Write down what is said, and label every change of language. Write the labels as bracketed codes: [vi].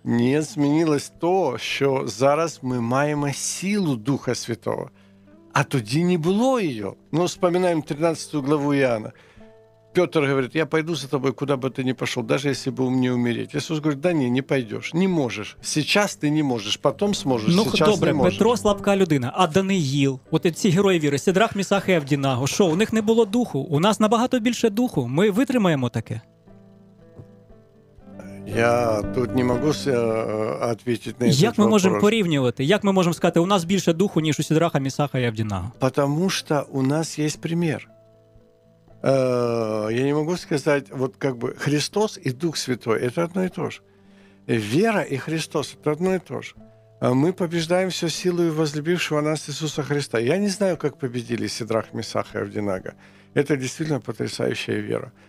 [ru] Не изменилось то, что [uk] зараз [ru] мы маем силу Духа Святого. А туди не было ее. Ну, вспоминаем 13 главу Иоанна. Петр говорит, я пойду за тобой, куда бы ты ни пошел, даже если бы мне умереть. Иисус говорит, да не, не пойдешь, не можешь. Сейчас ты не можешь, потом сможешь, ну, сейчас [uk] добре, [ru] не можешь. [uk] Петро слабка людина, а Даниїл, от ці герої віри, Сидрах, Місах і Авдінаго, що, у них не було духу? У нас набагато більше духу, ми витримаємо таке? Я тут не можу відповісти на цей [ru] вопрос. [uk] Як ми можемо порівнювати? Як ми можемо сказати, у нас більше духу, ніж у Сидраха, Місаха і Авдінаго? [ru] Потому [uk] що у нас є пример. [ru] Я не могу сказать, вот как бы Христос и Дух Святой – это одно и то же. Вера и Христос – это одно и то же. Мы побеждаем все силой возлюбившего нас Иисуса Христа. Я не знаю, как победили Сидрах, Месах и Авдинаго. Это действительно потрясающая вера.